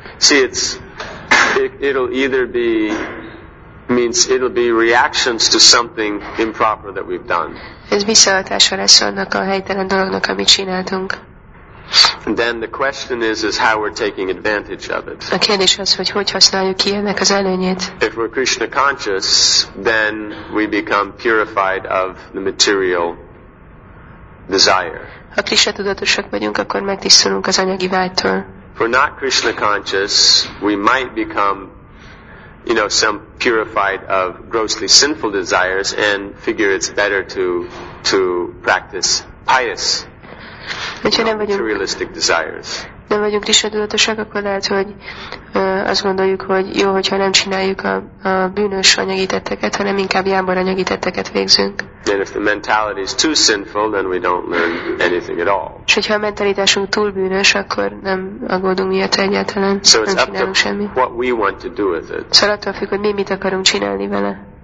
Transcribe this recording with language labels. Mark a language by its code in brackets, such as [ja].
[en] See, it's it'll either be means it'll be reactions to something improper that we've done. [hu] Ez visszahatása lesz annak a helytelen dolognak, amit csináltunk. [en] And then the question is how we're taking advantage of it. [hu] A kérdés az, hogy hogy használjuk ki ennek az előnyét. [en] If we're Krishna conscious, then we become purified of the material desire. [hu] ha Krisna tudatosak vagyunk, akkor megtisztulunk az anyagi vágytól. [en] For not Krishna conscious, we might become, you know, some purified of grossly sinful desires and figure it's better to practice pious, materialistic desires. [hu] Nem vagyunk Krisna tudatosak, akkor lehet, hogy azt gondoljuk, hogy jó, hogyha nem csináljuk a bűnös anyagi tetteket, hanem inkább jámbor anyagi tetteket végzünk. [en] And if the mentality is too sinful, then we don't learn anything at all. [hu] És hogyha a mentalitásunk túl bűnös, akkor nem aggódunk miatt egyáltalán, [en] so [hu] nem csinálunk semmit. [en] What we want to do with it. [hu] Szóval attól függ, hogy mi mit akarunk csinálni vele.